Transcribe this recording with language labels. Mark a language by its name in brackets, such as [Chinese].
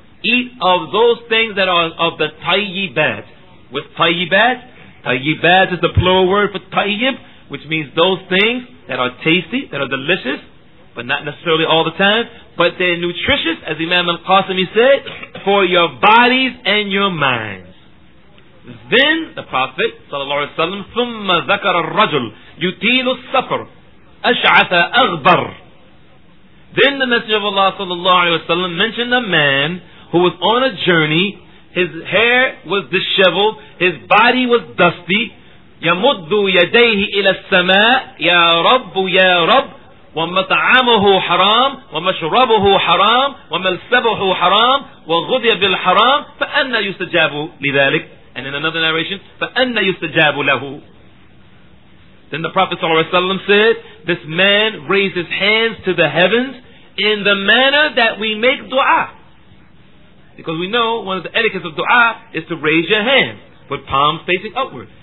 [English] Eat of those things that are of the tayyibat. With tayyibat, tayyibat is the plural word for tayyib, which means those things that are tasty, that are delicious, but not necessarily all the time, but they're nutritious, as Imam Al-Qasimi said, for your bodies and your minds. Then the Prophet sallallahu alaihi wasallam, [Arabic] ثم ذكر الرجل يطيل السفر أشعث أغبر. [English] Then the Messenger of Allah sallallahu alaihi wasallam mentioned a man who was on a journey. His hair was disheveled, his body was dusty. [Arabic] يمد يديه إلى السماء يا رب يا رب ومطعمه حرام ومشربه حرام وملسبه حرام وغذي بالحرام فأنا يستجاب لذلك. [English] And in another narration, [Arabic] فَأَنَّ يُسْتَجَابُ لَهُ. [English] Then the Prophet ﷺ said, this man raised his hands to the heavens in the manner that we make dua. Because we know one of the etiquettes of dua is to raise your hands with palms facing upward.